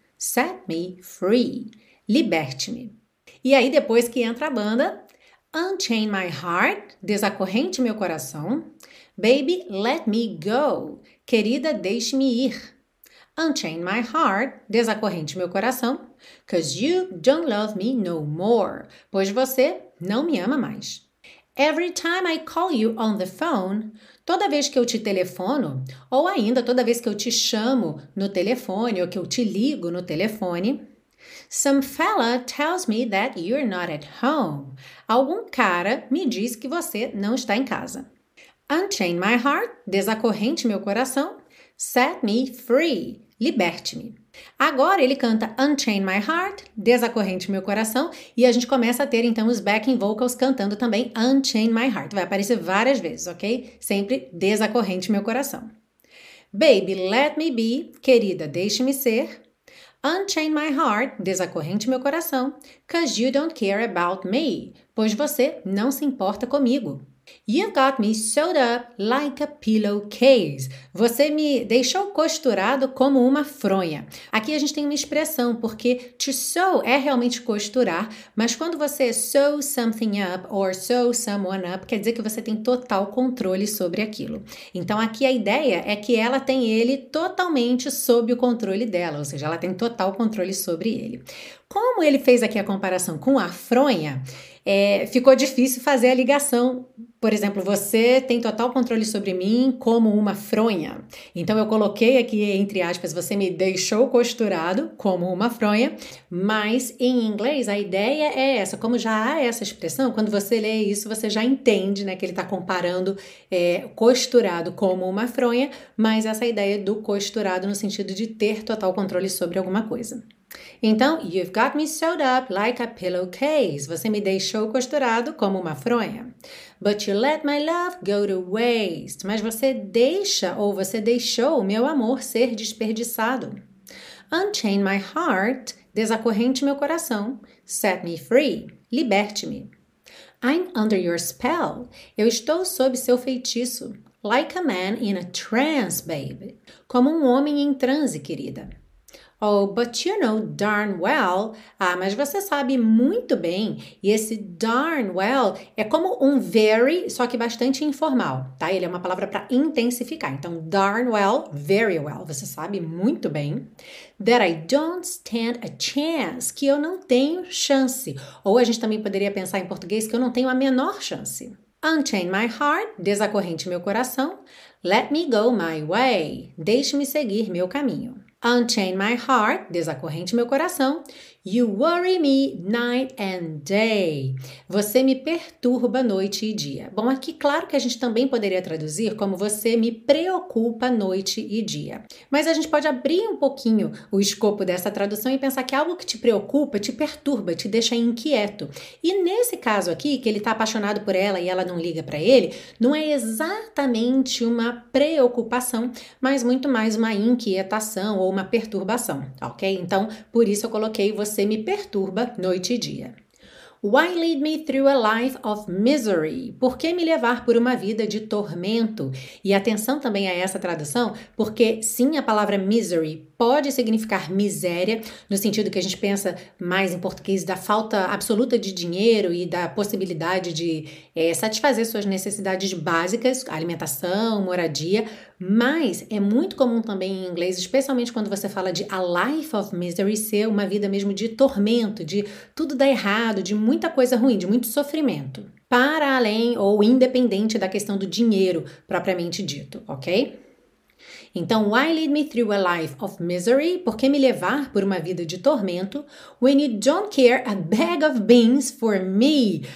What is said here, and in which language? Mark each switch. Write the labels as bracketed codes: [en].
[en] Set me free. [pt] Liberte-me. E aí, depois que entra a banda, [en] Unchain my heart. [pt] Desacorrente meu coração. [en] Baby, let me go. [pt] Querida, deixe-me ir. [en] Unchain my heart, [pt] desacorrente meu coração. [en] 'Cause you don't love me no more. [pt] Pois você não me ama mais. [en] Every time I call you on the phone, [pt] toda vez que eu te telefono, ou ainda toda vez que eu te chamo no telefone ou que eu te ligo no telefone, [en] some fella tells me that you're not at home. [pt] Algum cara me diz que você não está em casa. [en] Unchain my heart, [pt] desacorrente meu coração. [en] Set me free, [pt] liberte-me. Agora ele canta [en] Unchain my heart, [pt] desacorrente meu coração, e a gente começa a ter então os backing vocals cantando também Unchain my heart. Vai aparecer várias vezes, ok? Sempre desacorrente meu coração. [en] Baby, let me be, [pt] querida, deixe-me ser. [en] Unchain my heart, [pt] desacorrente meu coração. [en] 'Cause you don't care about me, [pt] pois você não se importa comigo. [en] You got me sewed up like a pillowcase. [pt] Você me deixou costurado como uma fronha. Aqui a gente tem uma expressão, porque to sew é realmente costurar, mas quando você [en] sew something up or sew someone up, [pt] quer dizer que você tem total controle sobre aquilo. Então aqui a ideia é que ela tem ele totalmente sob o controle dela, ou seja, ela tem total controle sobre ele. Como ele fez aqui a comparação com a fronha, ficou difícil fazer a ligação. Por exemplo, você tem total controle sobre mim como uma fronha. Então eu coloquei aqui, entre aspas, você me deixou costurado como uma fronha, mas em inglês a ideia é essa. Como já há essa expressão, quando você lê isso, você já entende, né, que ele está comparando costurado como uma fronha, mas essa ideia do costurado no sentido de ter total controle sobre alguma coisa. [en] Então, you've got me sewed up like a pillowcase. [pt] Você me deixou costurado como uma fronha. [en] But you let my love go to waste. [pt] Mas você deixa ou você deixou o meu amor ser desperdiçado. Unchain my heart, desacorrente meu coração. [en] Set me free, [pt] liberte-me. [en] I'm under your spell. [pt] Eu estou sob seu feitiço. [en] Like a man in a trance, baby. [pt] Como um homem em transe, querida. [en] Oh, but you know darn well. [pt] Ah, mas você sabe muito bem. E esse darn well é como um very, só que bastante informal, tá? Ele é uma palavra para intensificar. Então, darn well, very well. Você sabe muito bem. [en] That I don't stand a chance. [pt] Que eu não tenho chance. Ou a gente também poderia pensar em português que eu não tenho a menor chance. [en] Unchain my heart, [pt] desacorrente meu coração. [en] Let me go my way. [pt] Deixe-me seguir meu caminho. [en] Unchain my heart, desacorrente meu coração. You worry me night and day. [pt] Você me perturba noite e dia. Bom, aqui claro que a gente também poderia traduzir como você me preocupa noite e dia. Mas a gente pode abrir um pouquinho o escopo dessa tradução e pensar que algo que te preocupa, te perturba, te deixa inquieto. E nesse caso aqui, que ele está apaixonado por ela e ela não liga para ele, não é exatamente uma preocupação, mas muito mais uma inquietação ou uma perturbação, ok? Então, por isso eu coloquei você me perturba noite e dia. [en] Why lead me through a life of misery? [pt] Por que me levar por uma vida de tormento? E atenção também a essa tradução, porque sim, a palavra misery pode significar miséria, no sentido que a gente pensa mais em português da falta absoluta de dinheiro e da possibilidade de satisfazer suas necessidades básicas, alimentação, moradia. Mas é muito comum também em inglês, especialmente quando você fala de [en] a life of misery, [pt] ser uma vida mesmo de tormento, de tudo dar errado, de muita coisa ruim, de muito sofrimento. Para além ou independente da questão do dinheiro propriamente dito, ok? [en] Então, why lead me through a life of misery? [pt] Por que me levar por uma vida de tormento? [en] When you don't care a bag of beans for me?